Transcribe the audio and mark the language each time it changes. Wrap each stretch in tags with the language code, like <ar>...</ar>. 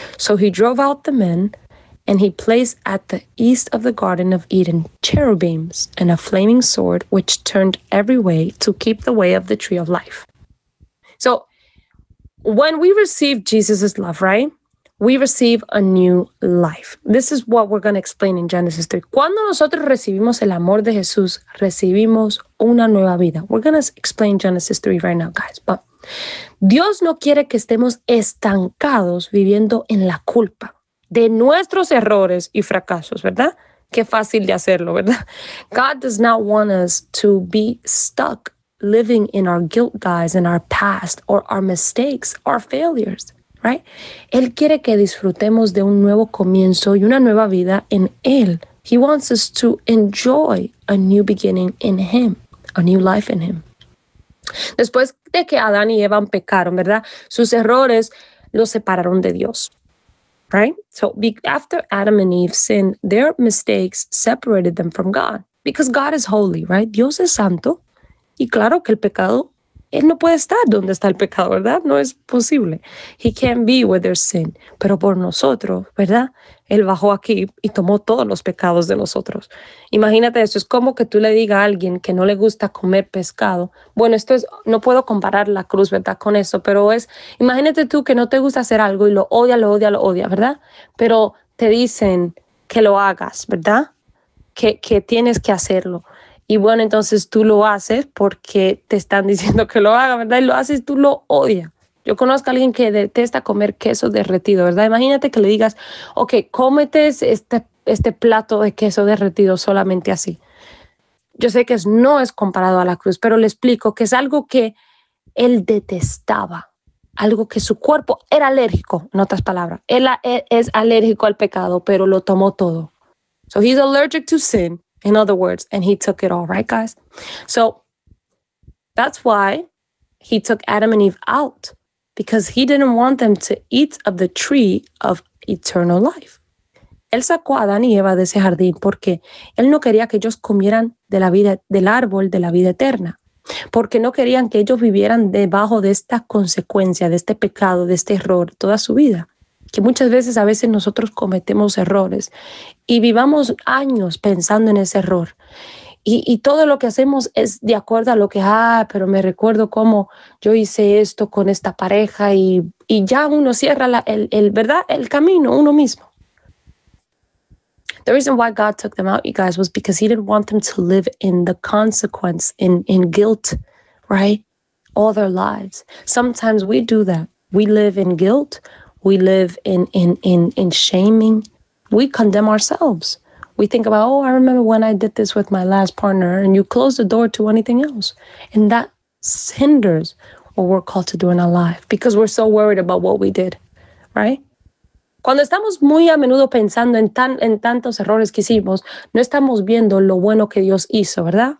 <en>So he drove out the men. And he placed at the east of the Garden of Eden cherubims and a flaming sword, which turned every way to keep the way of the tree of life. So when we receive Jesus's love, right? We receive a new life. This is what we're going to explain in Genesis 3.</en> <es>Cuando nosotros recibimos el amor de Jesús, recibimos una nueva vida.</es> <en>We're going to explain Genesis 3 right now, guys.</en> <es>But Dios no quiere que estemos estancados viviendo en la culpa de nuestros errores y fracasos, ¿verdad? Qué fácil de hacerlo, ¿verdad?</es> <en>God does not want us to be stuck living in our guilt, guys, in our past or our mistakes, our failures. Right?</en> <es>Él quiere que disfrutemos de un nuevo comienzo y una nueva vida en Él.</es> <en>He wants us to enjoy a new beginning in Him, a new life in Him.</en> <es>Después de que Adán y Eva pecaron, ¿verdad? Sus errores los separaron de Dios. Right?</es> <en>So after Adam and Eve sinned, their mistakes separated them from God. Because God is holy, right?</en> <es>Dios es santo. Y claro que el pecado, Él no puede estar donde está el pecado, ¿verdad? No es posible.</es> <en>He can't be where there's sin.</en> <es>Pero por nosotros, ¿verdad? Él bajó aquí y tomó todos los pecados de nosotros. Imagínate eso. Es como que tú le digas a alguien que no le gusta comer pescado. Bueno, esto es, no puedo comparar la cruz, ¿verdad? Con eso. Pero es, imagínate tú que no te gusta hacer algo y lo odia, ¿verdad? Pero te dicen que lo hagas, ¿verdad? Que tienes que hacerlo. Y bueno, entonces tú lo haces porque te están diciendo que lo haga, ¿verdad? Y lo haces, tú lo odias. Yo conozco a alguien que detesta comer queso derretido, ¿verdad? Imagínate que le digas, ok, cómete este plato de queso derretido solamente así. Yo sé que no es comparado a la cruz, pero le explico que es algo que él detestaba. Algo que su cuerpo era alérgico, en otras palabras. Él es alérgico al pecado, pero lo tomó todo.</es> <en>So he's allergic to sin. In other words, and he took it all, right, guys? So that's why he took Adam and Eve out, because he didn't want them to eat of the tree of eternal life.</en> <es>Él sacó a Adán y Eva de ese jardín porque él no quería que ellos comieran de la vida, del árbol de la vida eterna, porque no querían que ellos vivieran debajo de esta consecuencia, de este pecado, de este error toda su vida. Que muchas veces a veces nosotros cometemos errores y vivamos años pensando en ese error. Y todo lo que hacemos es de acuerdo a lo que, pero me recuerdo cómo yo hice esto con esta pareja y ya uno cierra el camino uno mismo.</es> <en>The reason why God took them out, you guys, was because he didn't want them to live in the consequence, in guilt, right? All their lives. Sometimes we do that. We live in guilt. We live in shaming. We condemn ourselves. We think about, I remember when I did this with my last partner, and you close the door to anything else. And that hinders what we're called to do in our life because we're so worried about what we did, right?</en> <es>Cuando estamos muy a menudo pensando en tantos errores que hicimos, no estamos viendo lo bueno que Dios hizo, ¿verdad?</es>